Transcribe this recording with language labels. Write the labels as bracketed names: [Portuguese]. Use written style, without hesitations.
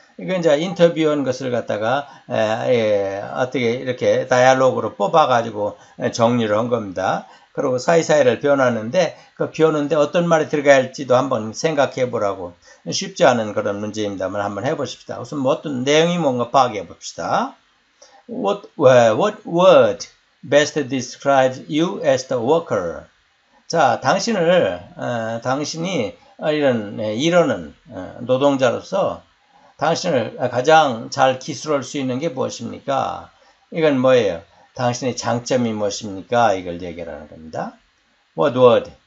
[Korean] 이거 이제 인터뷰한 것을 갖다가 어떻게 이렇게 다이얼로그로 뽑아가지고 정리를 한 겁니다. 그리고 사이사이를 변하는데 그 변하는데 어떤 말이 들어가야 할지도 한번 생각해 보라고. 쉽지 않은 그런 문제입니다만 한번 해보십시다. 우선 어떤 내용이 뭔가 파악해 봅시다. [English] What word best describes you as the worker? [Korean] 자, 당신이 이런 일하는 노동자로서 당신을 가장 잘 기술할 수 있는 게 무엇입니까? 이건 뭐예요? 당신의 장점이 무엇입니까? 이걸 얘기하는 겁니다. [English] What word?